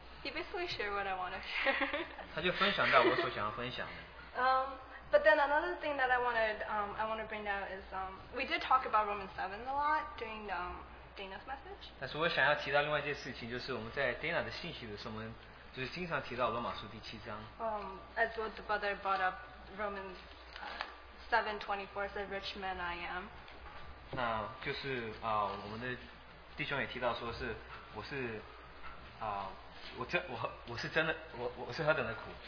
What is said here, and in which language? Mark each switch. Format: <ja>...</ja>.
<en>He basically shared what I want to share.</en> <zh>他就分享到我所想要分享的。</zh> <en>But then another thing that I want to bring out is we did talk about Romans 7 a lot during Dana's message.</en> <zh>但是我想要提到另外一件事情，就是我们在 Dana 的信息的时候，我们就是经常提到罗马书第七章。</zh> <en>As what the brother brought up, Romans 7:24 said, "Rich man I am."</en> <zh>那就是我们的弟兄也提到说是我是真的我是何等的苦。</zh>